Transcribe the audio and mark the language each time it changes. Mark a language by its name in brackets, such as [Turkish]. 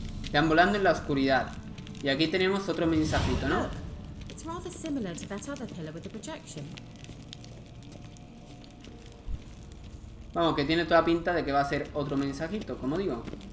[Spanish] Están volando en la oscuridad. Y aquí tenemos otro mensajito, ¿no? [English] It's rather similar to that other pillar with the projection. [Spanish] Vamos, que tiene toda pinta de que va a ser otro mensajito, como digo.